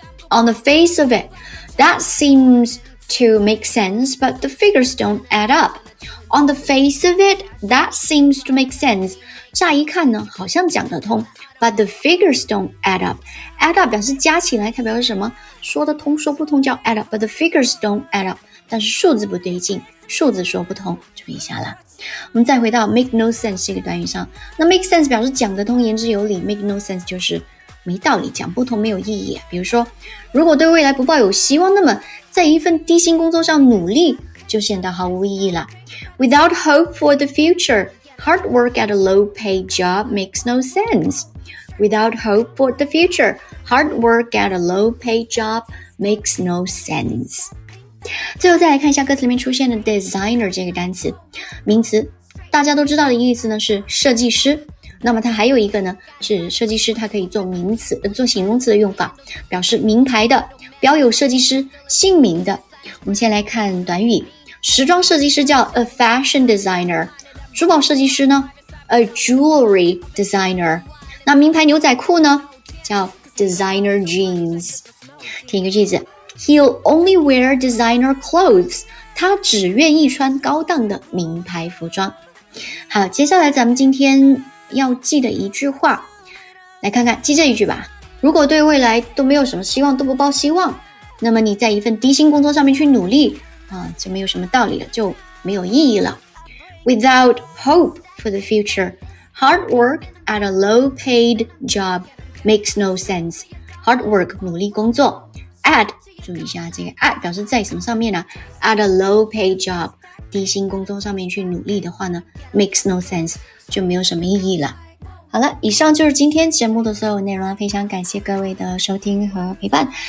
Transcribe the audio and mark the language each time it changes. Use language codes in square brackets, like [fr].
[en] On the face of it that seemsTo make sense, but the figures don't add up. On the face of it, that seems to make sense. [zh] 乍一看呢，好像讲得通， [en] but the figures don't add up. [zh] Add up 表示加起来，它表示什么？说得通，说不通叫 add up. [en] But the figures don't add up. [zh] 但是数字不对劲，数字说不通，注意一下啦。我们再回到 make no sense 这个短语上，那 make sense 表示讲得通、言之有理， make no sense 就是没道理，讲不通，没有意义。比如说，如果对未来不抱有希望，那么在一份低薪工作上努力就显得毫无意义了。 [en] Without hope for the future, hard work at a low-paid job makes no sense. Without hope for the future, hard work at a low-paid job makes no sense. [zh] 最后再来看一下歌词里面出现的 designer 这个单词，名词，大家都知道的意思呢是设计师。那么它还有一个呢，是设计师，它可以做名词、做形容词的用法，表示名牌的、标有设计师姓名的。我们先来看短语，时装设计师叫 a fashion designer， 珠宝设计师呢 a jewelry designer， 那名牌牛仔裤呢叫 designer jeans。听一个句子， [en] He'll only wear designer clothes， [zh] 他只愿意穿高档的名牌服装。好，接下来咱们今天要记得一句话，来看看，记这一句吧。如果对未来都没有什么希望，都不抱希望，那么你在一份低薪工作上面去努力啊，就没有什么道理了，就没有意义了。 [en] Without hope for the future, hard work at a low-paid job makes no sense. [zh] Hard work 努力工作 ，at 注意一下这个 at 表示在什么上面呢、啊、？ [en] At a low-paid job [zh] 低薪工作上面去努力的话呢 ， [en] makes no sense [zh] 就没有什么意义了。好了，以上就是今天节目的所有内容了，非常感谢各位的收听和陪伴。